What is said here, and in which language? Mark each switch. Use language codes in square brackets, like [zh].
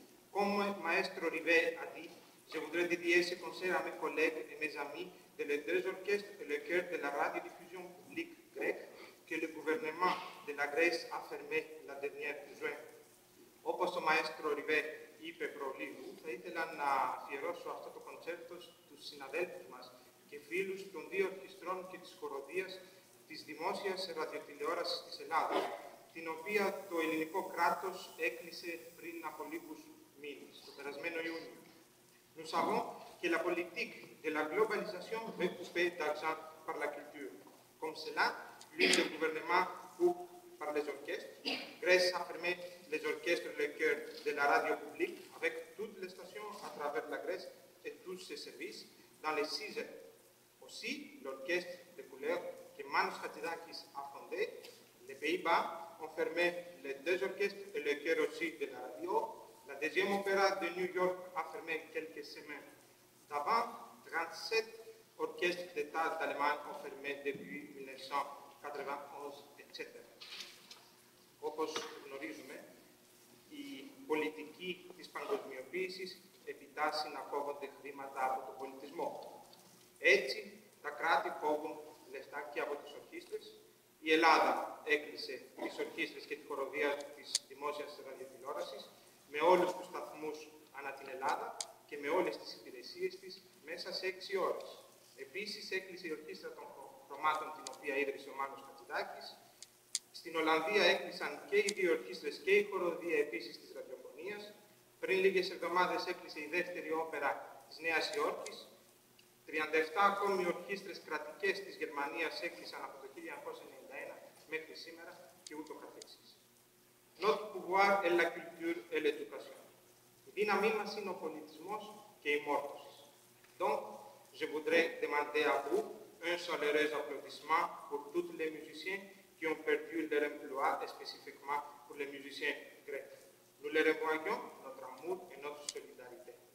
[fr] Comme Maestro Rivet a dit, je voudrais dédier ce concert à mes collègues et mes amis de les deux orchestres et le chœur de la radiodiffusion publique grecque que le gouvernement de la Grèce a fermé la dernière juin. [el] Όπως ο Maestro Rivet είπε προλίγου, θα ήθελα να αφιερώσω αυτό το κονσέρτο στους συναδέλφους μας και φίλους των δύο ορχιστρών και της χοροδίας της δημόσιας ραδιοτηλεόρασης της Ελλάδας, την οποία το ελληνικό κράτος έκλεισε πριν από λίγους μήνες, το περασμένο Ιούνιο. [fr] Nous savons que la politique de la globalisation veut couper d'argent par la culture. Comme cela, le gouvernement coupe par les orchestres. Grèce a fermé les orchestres et le chœur de la radio publique avec toutes les stations à travers la Grèce et tous ses services dans les 6 heures. Aussi, l'orchestre de couleur que Manos Hatzidakis a fondé, les Pays-Bas, ont fermé les deux orchestres et le chœur aussi de la radio. La deuxième opéra de New York a fermé quelques semaines. D'avant, 37 orchestres d'État d'Allemagne ont fermé depuis 1991, etc. [el] Όπως γνωρίζουμε, η πολιτική της παγκοσμιοποίησης επιτάσσει να κόβονται χρήματα από τον πολιτισμό. Έτσι, τα κράτη κόβουν λεφτά και από τις ορχήστρες. Η Ελλάδα έκλεισε τις ορχήστρες και τη χοροδία της δημόσιας ραδιοτηλεόρασης με όλους τους σταθμούς ανά την Ελλάδα και με όλες τις υπηρεσίες της μέσα σε 6 ώρες. Επίσης έκλεισε η ορχήστρα των χρωμάτων την οποία ίδρυσε ο Μάνος Χατζηδάκης. Στην Ολλανδία έκλεισαν και οι δύο ορχήστρες και η χοροδία επίσης της ραδιοφωνίας. Πριν λίγες εβδομάδες έκλεισε η δεύτερη όπερα της Νέας Υόρκης. 37 ακόμη ορχήστρες κρατικές της Γερμανίας έκλεισαν από το 1991 μέχρι σήμερα και ούτω καθεξής. [fr] Notre pouvoir est la culture et l'éducation. [el] Η δύναμή μας είναι ο πολιτισμός και η μόρφωση. [fr] Donc, je voudrais demander à vous un chaleureux applaudissement pour tous les musiciens qui ont perdu leur emploi et spécifiquement pour les musiciens grecs. Nous les revoyons, notre amour et notre solidarité.